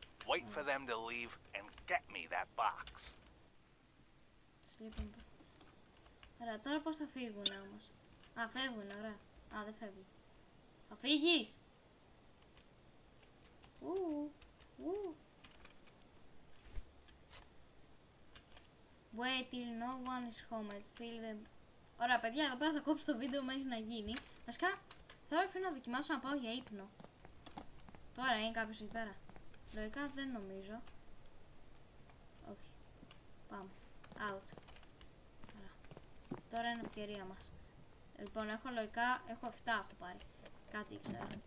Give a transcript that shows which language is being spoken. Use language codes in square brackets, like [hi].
[en] Wait for them to leave and get me that box. Sleeping. [el] Ωραία, τώρα πώς θα φύγουν όμως. Α, φεύγουν, ωραία. Α, δεν φεύγει. Θα φύγεις! [en] Wait till no one is home and steal them. [el] Ωραία, παιδιά, εδώ πέρα θα κόψω το βίντεο μέχρι να γίνει. Βασικά, θα έρθει να δοκιμάσω να πάω για ύπνο. Τώρα είναι κάποιος εκεί πέρα. Λογικά δεν νομίζω. Όχι. Πάμε. Out. Άρα. Τώρα είναι ευκαιρία μας. Λοιπόν, έχω λογικά, έχω 7 έχω πάρει. Κάτι ήξερα.